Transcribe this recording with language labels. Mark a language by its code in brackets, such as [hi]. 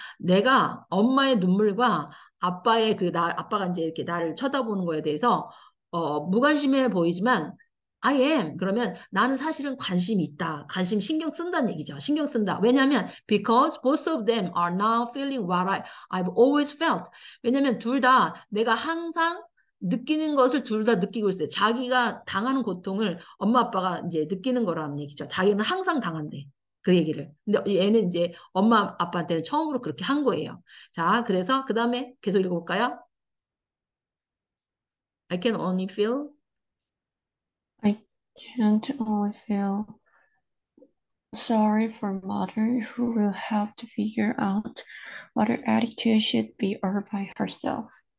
[ko] 내가 엄마의 눈물과 아빠의 아빠가 이제 이렇게 나를 쳐다보는 거에 대해서 무관심해 보이지만 [en] I am. [ko] 그러면 나는 사실은 관심이 있다. 관심 신경 쓴다는 얘기죠. 신경 쓴다. 왜냐하면 [en] because both of them are now feeling what I've always felt. [ko] 왜냐하면 둘다 내가 항상 느끼는 것을 둘다 느끼고 있어요. 자기가 당하는 고통을 엄마 아빠가 이제 느끼는 거라는 얘기죠. 자기는 항상 당한대. 그 얘기를. 근데 얘는 이제 엄마 아빠한테는 처음으로 그렇게 한 거예요. 자, 그래서 그다음에 계속 읽어볼까요? [en] I can only feel. Can't only feel sorry for mother who will have to figure out what her attitude should be or by herself.